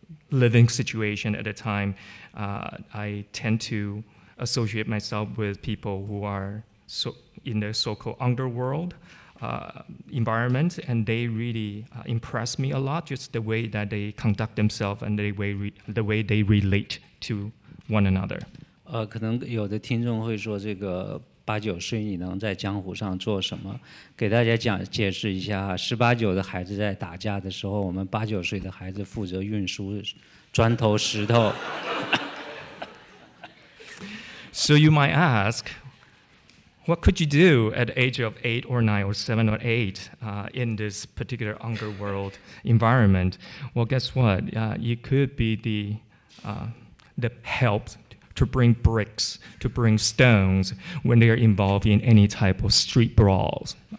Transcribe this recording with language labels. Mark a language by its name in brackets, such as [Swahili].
[English] living situation at the time, I tend to associate myself with people who are so in the so-called underworld environment, and they really impress me a lot, just the way that they conduct themselves and the way they relate to one another. [Chinese] 可能有的听众会说这个 八九岁你能在江湖上做什么？给大家解释一下，十八九的孩子在打架的时候，我们八九岁的孩子负责运输砖头石头。So [English] you might ask, what could you do at the age of 8 or 9 or 7 or 8 in this particular underworld environment? Well, guess what? You could be the help to bring bricks, to bring stones, when they are involved in any type of street brawls.